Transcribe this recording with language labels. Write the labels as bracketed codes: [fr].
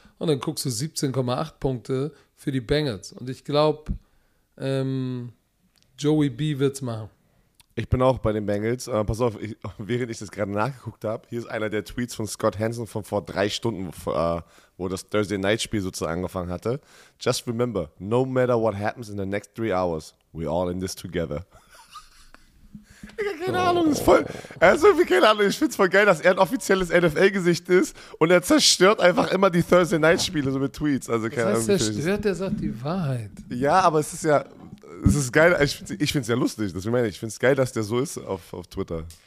[de] Und dann guckst du 17,8 Punkte für die Bengals. Und ich glaube, Joey B. wird's machen. Ich bin auch bei den Bengals. Pass auf, während ich das gerade nachgeguckt habe, hier ist einer der Tweets von Scott Hansen von vor 3 Stunden, wo das Thursday-Night-Spiel sozusagen angefangen hatte. [en] Just remember, no matter what happens in the next 3 hours, we're all in this together. [de] Ich habe keine Ahnung. Ich finde es voll geil, dass er ein offizielles NFL-Gesicht ist und er zerstört einfach immer die Thursday-Night-Spiele so mit Tweets. Also, keine Ahnung. Das heißt, zerstört, er sagt die Wahrheit. Ja, aber es ist ja... Es ist geil, ich finde es ja lustig, das meine ich. Ich finde es geil, dass der so ist auf Twitter.